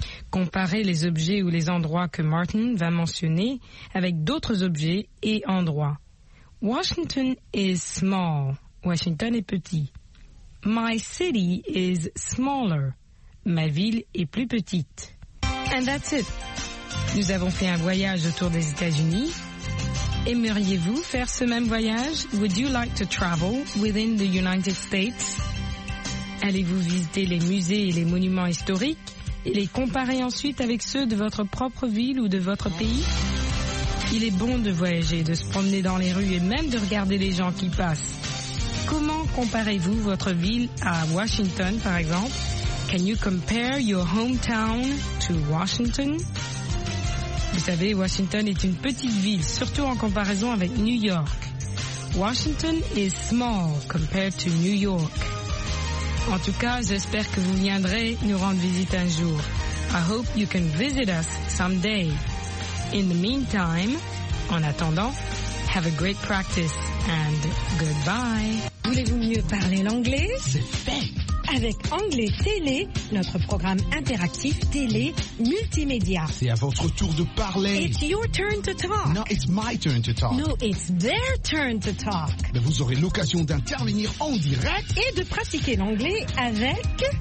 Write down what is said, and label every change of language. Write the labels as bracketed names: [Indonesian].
[French] Comparez les objets ou les endroits que Martin va mentionner avec d'autres objets et endroits. [English] Washington is small. [French] Washington est petit. [English] My city is smaller. [French] Ma ville est plus petite. [English] And that's it. [French] Nous avons fait un voyage autour des États-Unis. Aimeriez-vous faire ce même voyage? [English] Would you like to travel within the United States? [French] Allez-vous visiter les musées et les monuments historiques et les comparer ensuite avec ceux de votre propre ville ou de votre pays? Il est bon de voyager, de se promener dans les rues et même de regarder les gens qui passent. Comment comparez-vous votre ville à Washington, par exemple? [English] Can you compare your hometown to Washington? [French] Vous savez, Washington est une petite ville, surtout en comparaison avec New York. [English] Washington is small compared to New York. [French] En tout cas, j'espère que vous viendrez nous rendre visite un jour. [English] I hope you can visit us someday. In the meantime, [French] en attendant, [English] have a great practice and goodbye. [French] Voulez-vous mieux parler l'anglais? C'est fait! Avec Anglais Télé, notre programme interactif télé multimédia. C'est à votre tour de parler. [English] It's your turn to talk. No, it's my turn to talk. No, it's their turn to talk. [French] Mais vous aurez l'occasion d'intervenir en direct. Et de pratiquer l'anglais avec...